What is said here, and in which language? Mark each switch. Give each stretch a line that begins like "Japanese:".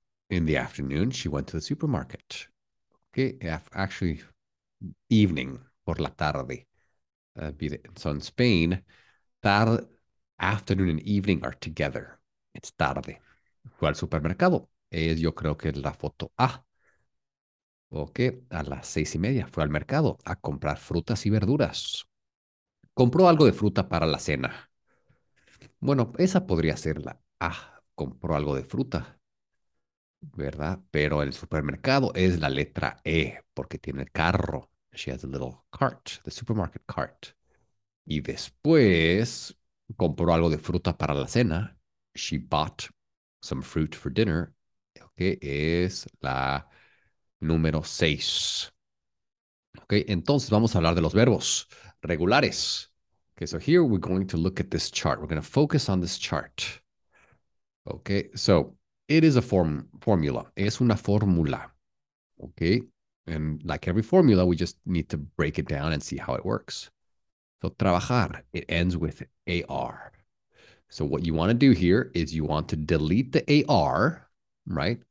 English: In the afternoon, she went to the supermarket. Ok, actually, evening,
Spanish: por la tarde.
English: So in Spain, tarde, afternoon and evening are together. It's
Spanish: tarde. Fue al supermercado. Es, yo creo que es la foto A. Ok, a las 6:30 fue al mercado a comprar frutas y verduras. Compró algo de fruta para la cena. Bueno, esa podría ser la A. Compró algo de fruta, ¿verdad? Pero el supermercado es la letra E, porque tiene el carro.
English: She has a little cart, the supermarket cart.
Spanish: Y después compró algo de fruta para la cena.
English: She bought some fruit for dinner. Okay,
Spanish: es la número 6. Okay, entonces vamos a hablar de los verbos regulares.
English: Okay, so here we're going to look at this chart. We're going to focus on this chart. Okay, so it is a formula.
Spanish: Es una fórmula.
English: Okay, and like every formula, we just need to break it down and see how it works. So trabajar, it ends with AR. So what you want to do here is you want to delete the AR, right?